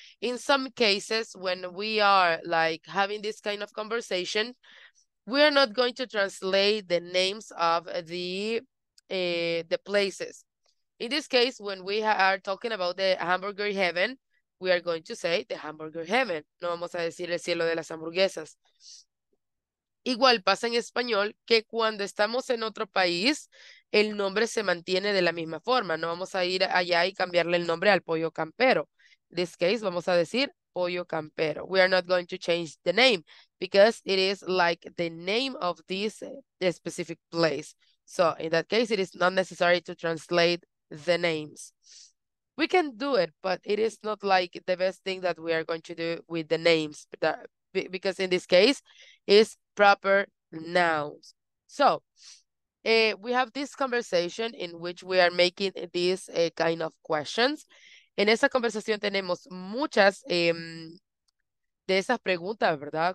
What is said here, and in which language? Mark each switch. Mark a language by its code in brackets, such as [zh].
[en] In some cases, when we are like having this kind of conversation, we are not going to translate the names of the places. In this case, when we are talking about the Hamburger Heaven, we are going to say the Hamburger Heaven. [es] No vamos a decir el cielo de las hamburguesas. Igual pasa en español que cuando estamos en otro país, el nombre se mantiene de la misma forma. No vamos a ir allá y cambiarle el nombre al pollo campero. [en] In this case, [es] vamos a decir pollo campero. [en] We are not going to change the name because it is like the name of this specific place. So in that case, it is not necessary to translate the names. We can do it, but it is not like the best thing that we are going to do with the names, because in this case, it's proper nouns. So We have this conversation in which we are making these kind of questions. [es] En esa conversación tenemos muchas de esas preguntas, ¿verdad?